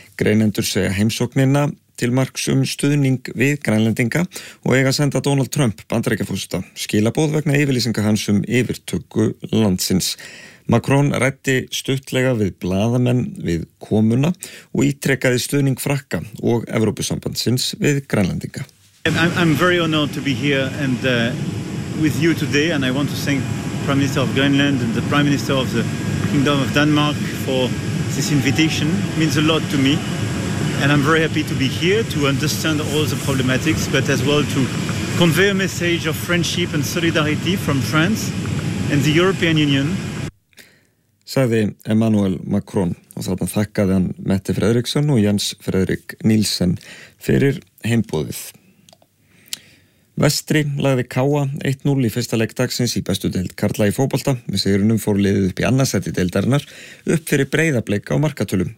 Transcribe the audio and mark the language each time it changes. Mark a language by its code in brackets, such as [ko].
[is] Greinendur segja heimsóknina til marks stuðning við grænlendinga og eiga að senda Donald Trump, bandaríkjaforseta, skilaboð vegna yfirlýsinga hans yfirtöku landsins. Macron ræddi stuttlega við blaðamenn við komuna og ítrekkaði stuðning Frakka og Evrópusambandsins við grænlendinga. [en] I'm very honored to be here and with you today, and I want to thank Prime Minister of Greenland and the Prime Minister of the Kingdom of Denmark for this invitation. It means a lot to me. And I'm very happy to be here to understand all the problematics, but as well to convey a message of friendship and solidarity from France and the European Union. [is] Sagði Emmanuel Macron og þarna þakkaði hann Mette Frederiksen og Jens Frederik Nielsen fyrir heimboðið. Vestri lagði Káa 1-0 í fyrsta leik dagsins í bestu deild Karla í fótbolta. Með sigrinum fór liðið upp í annarsæti deildarinnar upp fyrir Breiðablik á markatölum.